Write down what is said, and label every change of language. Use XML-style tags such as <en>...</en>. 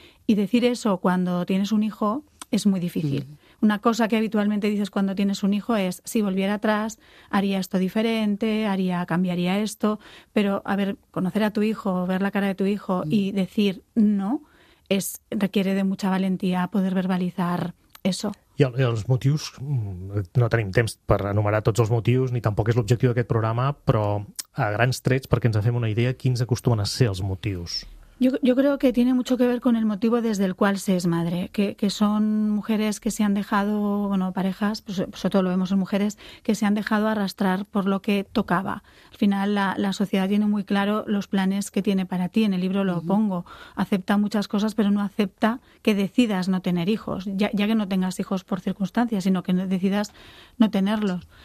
<es>Y decir eso cuando tienes un hijo es muy difícil. Mm. Una cosa que habitualmente dices cuando tienes un hijo es, si volviera atrás, haría esto diferente, cambiaría esto, pero a ver, conocer a tu hijo, ver la cara de tu hijo y decir no, requiere de mucha valentía poder verbalizar eso.</es> <ca>I els motius, no tenim temps per enumerar tots els motius, ni tampoc és l'objectiu d'aquest programa, però a grans trets, perquè ens fem una idea, quins acostumen a ser els motius?</ca> <es>Yo creo que tiene mucho que ver con el motivo desde el cual se es madre, que son mujeres que se han dejado, bueno, parejas, pues sobre todo lo vemos en mujeres, que se han dejado arrastrar por lo que tocaba. Al final la sociedad tiene muy claro los planes que tiene para ti, en el libro lo pongo, acepta muchas cosas, pero no acepta que decidas no tener hijos, ya que no tengas hijos por circunstancias, sino que decidas no tenerlos.</es>